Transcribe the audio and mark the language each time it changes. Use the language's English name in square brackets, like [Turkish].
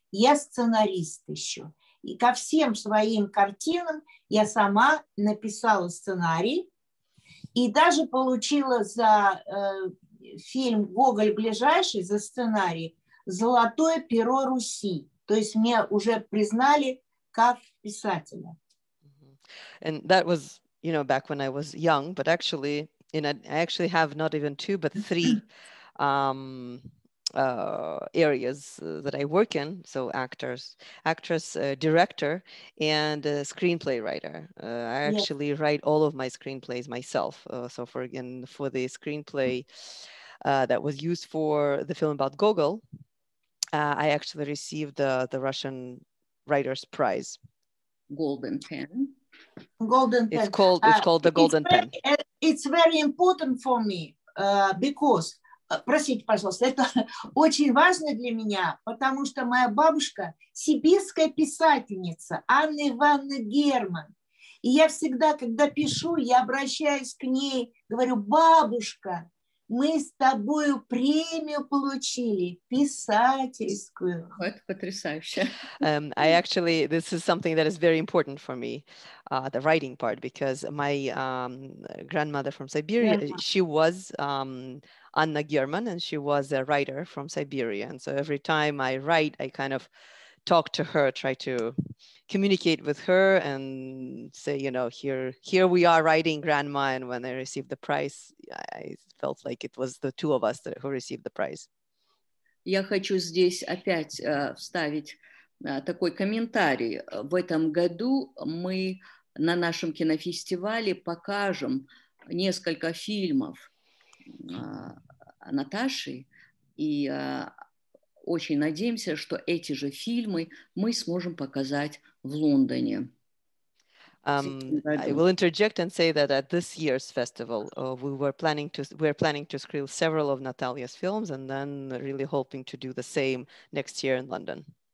[Russian] Я сценарист еще. И ко всем своим картинам я сама написала сценарий и даже получила за фильм «Гоголь ближайший» за сценарий «Золотое перо Руси». То есть меня уже признали как писателя. [English] And that was, you know, back when I was young, but actually, you know, I actually have not even two, but three areas that I work in, so actress, director, and screenplay writer. I actually write all of my screenplays myself. So for the screenplay that was used for the film about Gogol, I actually received the Russian Writers' Prize. Golden Pen. Golden Pen. It's called the Golden Pen. It's very important for me because, [Russian] простите, пожалуйста, это очень важно для меня, потому что моя бабушка сибирская писательница Анна Ивановна Герман. И я всегда, когда пишу, я обращаюсь к ней, говорю: бабушка, мы с тобою премию получили, писательскую. Это потрясающе. [English] I actually, this is something that is very important for me, the writing part, because my grandmother from Siberia, she was Anna German, and she was a writer from Siberia. And so every time I write, I kind of talk to her, try to communicate with her and say, you know, here we are writing, grandma. And when I received the prize, I felt like it was the two of us that, who received the prize. [Russian] Я хочу здесь опять вставить такой комментарий. В этом году мы на нашем кинофестивале покажем несколько фильмов Наташи, и очень надеемся, что эти же фильмы мы сможем показать в Лондоне. [English] I will interject and say that at this year's festival, we're planning to screen several of Natalia's films, and then really hoping to do the same next year in London.